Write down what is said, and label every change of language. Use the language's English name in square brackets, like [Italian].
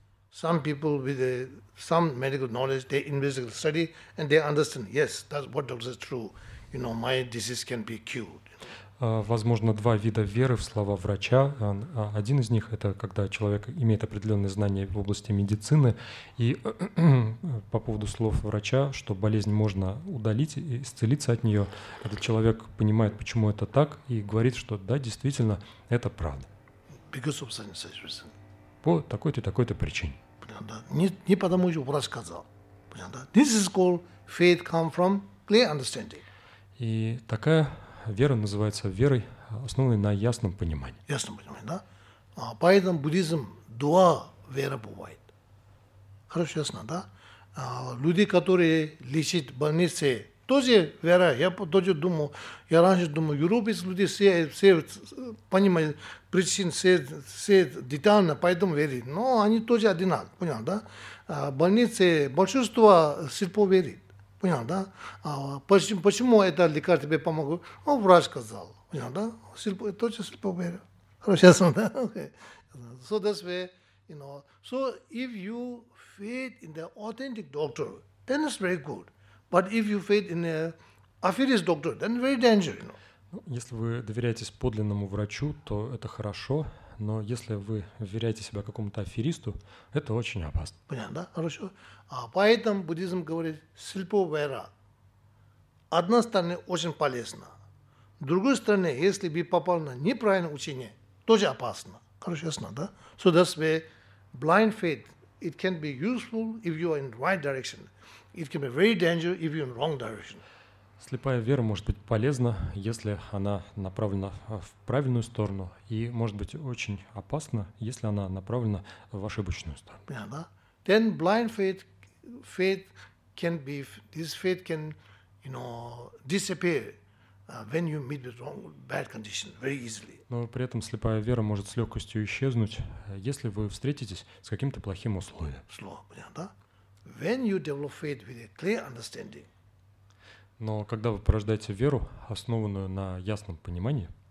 [English] Some people with some medical knowledge, they investigate, study, and they understand, yes, that's what doctor is true. You know, my disease can be cured. [Russian] Возможно, два вида веры в слова врача. Один из них – это когда человек имеет определенные знания в области медицины. И по поводу слов врача, что болезнь можно удалить и исцелиться от нее, этот человек понимает, почему это так, и говорит, что да, действительно, это правда. [English] Because of such reason. [Russian] По такой-то и такой-то причине. Понятно, да? Не потому, что врач сказал. Понятно, да? This is called faith come from clear understanding. И такая вера называется верой, основанной на ясном понимании. Ясном понимании, да? Поэтому буддизм два вера бывает. Хорошо, ясно, да? Люди, которые лечат больницы, тоже вера. Я тоже думал, я раньше думал, европейцы люди все понимают причины, все детально, поэтому верят. Но они тоже одинаковы, понял, да? Больницы, большинство слепо верит. Понял, да? Почему это лекарь тебе помогло? Ну, врач сказал. Понял, да? Точно слепо верю. Хорошо, ясно, да? [English] So that's where, you know. So if you faith in the authentic doctor, then it's very good. But if you faith in a fierce doctor, then very dangerous, you know. [Russian] Если вы доверяетесь подлинному врачу, то это хорошо. Но если вы вверяете себя какому-то аферисту, это очень опасно. Понятно, да? Хорошо. Поэтому буддизм говорит, слепо вера. Одна сторона очень полезна. С другой стороны, если бы попал на неправильное учение, тоже опасно. Хорошо, ясно, да? [English] So that's why blind faith, it can be useful if you are in right direction. It can be very dangerous if you are in wrong direction. [Russian] Слепая вера может быть полезна, если она направлена в правильную сторону, и может быть очень опасна, если она направлена в ошибочную сторону. Понятно, да? [English] Then blind faith can be, this faith can, you know, disappear when you meet with wrong, bad condition very easily. [Russian] Но при этом слепая вера может с легкостью исчезнуть, если вы встретитесь с каким-то плохим условием. Слово, понятно, да? [English] When you develop faith with a clear understanding, [Russian] но когда вы порождаете веру, основанную на ясном понимании,